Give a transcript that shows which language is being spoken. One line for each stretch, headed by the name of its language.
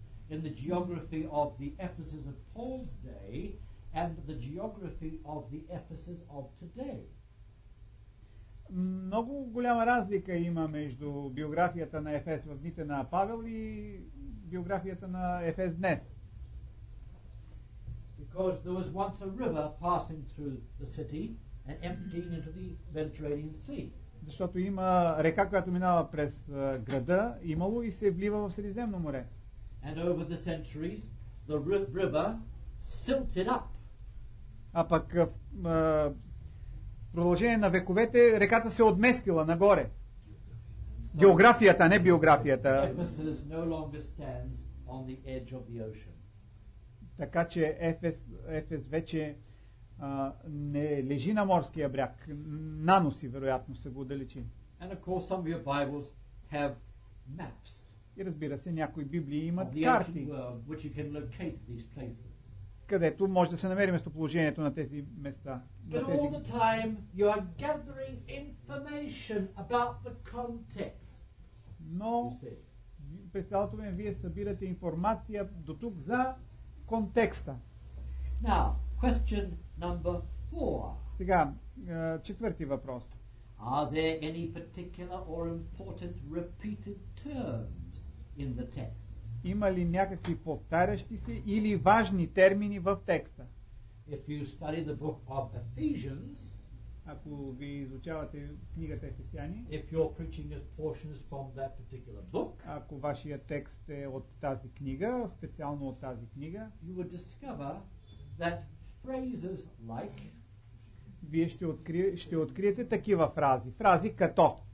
English: In the geography of the Ephesus of Paul's day and the geography of the Ephesus of today.
Bulgarian: Много голяма разлика има между биографията на Ефес в дните на Павел и биографията на Ефес днес.
English: Because there was once a river passing through the city and emptying into the Mediterranean Sea.
Bulgarian: Защото има река, която минава през града, имало и се влива в Средиземно море.
English: And over the centuries, the river silted up.
Bulgarian: А пък в продължение на вековете реката се отместила нагоре. Географията, не биографията.
English: Ephesus no longer stands on the edge of the ocean.
Bulgarian: Така че Ефес вече не лежи на морския бряг. Наноси, вероятно, са го удалечи.
English: And of course, some of your Bibles have maps.
Bulgarian: И разбира се, някои библии имат карти,
English: world,
Bulgarian: където може да се намери местоположението на тези места.
English: But
Bulgarian: на тези...
English: all the time you are gathering information about the context.
Bulgarian: Но през цялото време вие събирате информация до тук за контекста.
English: Now, question number four.
Bulgarian: Сега, четвърти въпрос.
English: Are there any particular or important repeated terms? In the text.
Bulgarian: Има ли някакви повтарящи се или важни термини в текста?
English: If you study the book of Ephesians,
Bulgarian: ако ви изучавате книгата Ефесяни,
English: if your preaching is portions from that particular book,
Bulgarian: ако вашия текст е от тази книга, специално от тази книга,
English: you would discover that phrases like,
Bulgarian: вие ще откриете такива фрази, фрази като